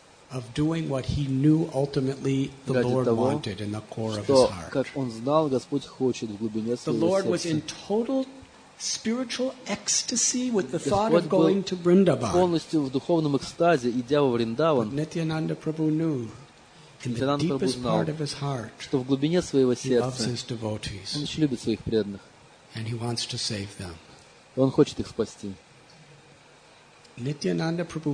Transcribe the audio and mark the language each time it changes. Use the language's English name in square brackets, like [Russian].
[English] of doing what he knew ultimately the Lord wanted in the core of his heart. [Russian] Как он знал, Господь хочет в глубине своего сердца. [English] The Lord was in total spiritual ecstasy with the thought of going to Vrindavan. [Russian] Полностью в духовном экстазе, идя во Вриндаван. [English] Нитьянанда Прабху knew. [Russian] Нитьянанда Прабху знал, что в глубине своего сердца он очень любит своих преданных. И он хочет их спасти. Нитьянанда Прабху